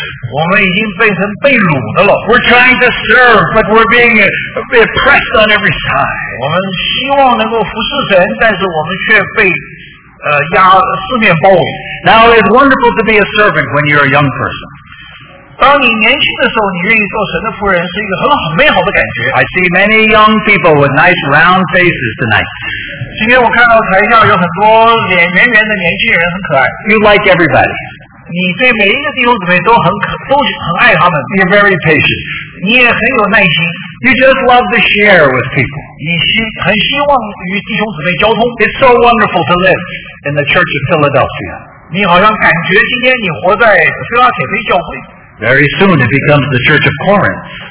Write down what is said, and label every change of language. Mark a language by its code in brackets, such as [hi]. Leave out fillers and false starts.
[zh] 我们已经变成被掳的了。 [en] We're trying to serve, but we're being pressed on every side. [zh] 我们希望能够服侍神，但是我们却被四面包围。 [en] Now it's wonderful to be a servant when you're a young person. [zh] 当你年轻的时候，你愿意做神的仆人，是一个很好美好的感觉。 [en] I see many young people with nice round faces tonight. [zh] 今天我看到台下有很多脸圆圆的年轻人，很可爱。 [en] You like everybody. [zh] 你对每一个弟兄姊妹都很爱他们。 [en] You're very patient. [zh] 你也很有耐心。 [en] You just love to share with people. [zh] 你很希望与弟兄姊妹交通。 [en] It's so wonderful to live in the Church of Philadelphia. [zh] 你好像感觉今天你活在菲拉铁菲教会。 [en] Very soon it becomes the Church of Corinth.